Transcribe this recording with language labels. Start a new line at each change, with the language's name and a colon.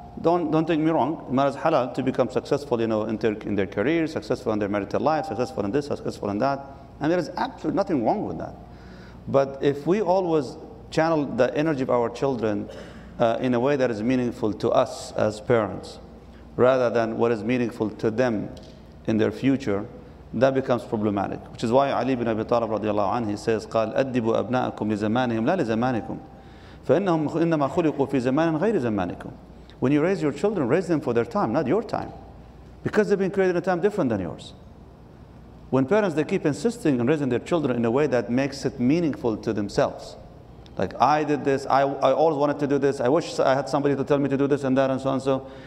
English: Don't take me wrong, matters halal to become successful, you know, in their career, successful in their marital life, successful in this, successful in that. And there is absolutely nothing wrong with that. But if we always channel the energy of our children in a way that is meaningful to us as parents, rather than what is meaningful to them in their future, that becomes problematic. Which is why Ali ibn Abi Talib radiallahu anhu, he says,
Arabic: قال أدبوا أبناءكم لزمانهم لا لزمانكم فإنهم إنما خلقوا في زمان غير زمانكم.
English: When you raise your children, raise them for their time, not your time, because they've been created in a time different than yours. When parents, they keep insisting on raising their children in a way that makes it meaningful to themselves. Like, I did this, I always wanted to do this, I wish I had somebody to tell me to do this and that and so.